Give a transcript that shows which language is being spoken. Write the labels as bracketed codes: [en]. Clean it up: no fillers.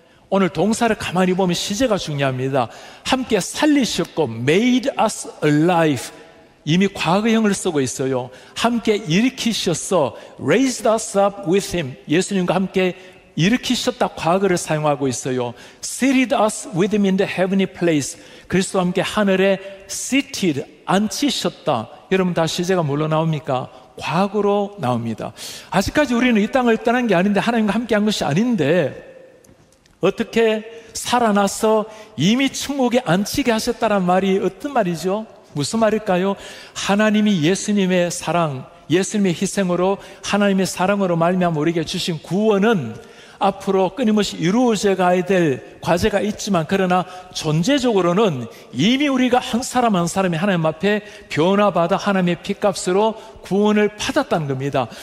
[ko] 오늘 동사를 가만히 보면 시제가 중요합니다. 함께 살리셨고, [en] made us alive, [ko] 이미 과거형을 쓰고 있어요. 함께 일으키셨어, [en] raised us up with him, [ko] 예수님과 함께 일으키셨다 과거를 사용하고 있어요. [en] Seated us with him in the heavenly place, [ko] 그리스도와 함께 하늘에 [en] seated, [ko] 앉히셨다. 여러분 다 시제가 뭘로 나옵니까? 과거로 나옵니다. 아직까지 우리는 이 땅을 떠난 게 아닌데, 하나님과 함께한 것이 아닌데 어떻게 살아나서 이미 천국에 앉히게 하셨다는 말이 어떤 말이죠? 무슨 말일까요? 하나님이 예수님의 사랑, 예수님의 희생으로, 하나님의 사랑으로 말미암아 우리에게 주신 구원은 앞으로 끊임없이 이루어져 가야 될 과제가 있지만, 그러나 존재적으로는 이미 우리가 한 사람 한 사람이 하나님 앞에 변화받아 하나님의 피값으로 구원을 받았다는 겁니다.